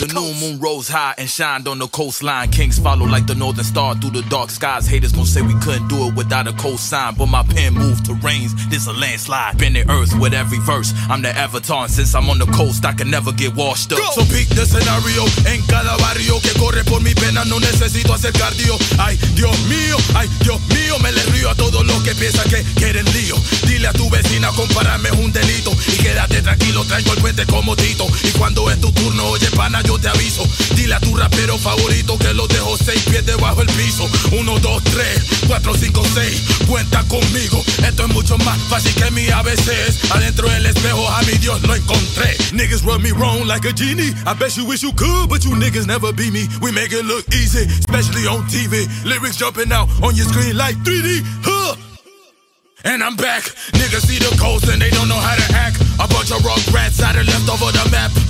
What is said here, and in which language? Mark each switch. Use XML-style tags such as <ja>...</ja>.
<en>the new moon rose high and shined on the coastline. Kings follow like the northern star through the dark skies. Haters gon' say we couldn't do it without a cosign, but my pen moved to reins, this a landslide. Bending earth with every verse, I'm the avatar, and since I'm on the coast I can never get washed up. Go! So peak the scenario</en> <es>en cada barrio que corre por mi pena, no necesito hacer cardio. Ay Dios mío, me le río a todos los que piensan que quieren lío. Dile a tu vecina compararme es un delito, y quédate tranquilo, traigo el puente como Tito, y cuando es tu turno, oye pana, yo te aviso. Dile a tu rapero favorito que lo dejo 6 pies debajo el piso. 1, 2, 3, 4, 5, 6. Cuenta conmigo, esto es mucho más fácil que mi ABCs. Adentro del espejo a mi Dios lo encontré.</es> <en>Niggas rub me wrong like a genie, I bet you wish you could, but you niggas never be me. We make it look easy, especially on TV. Lyrics jumping out on your screen like 3D, huh. And I'm back, niggas see the coast and they don't know how to act. A bunch of rock rats out of left over the map.</en>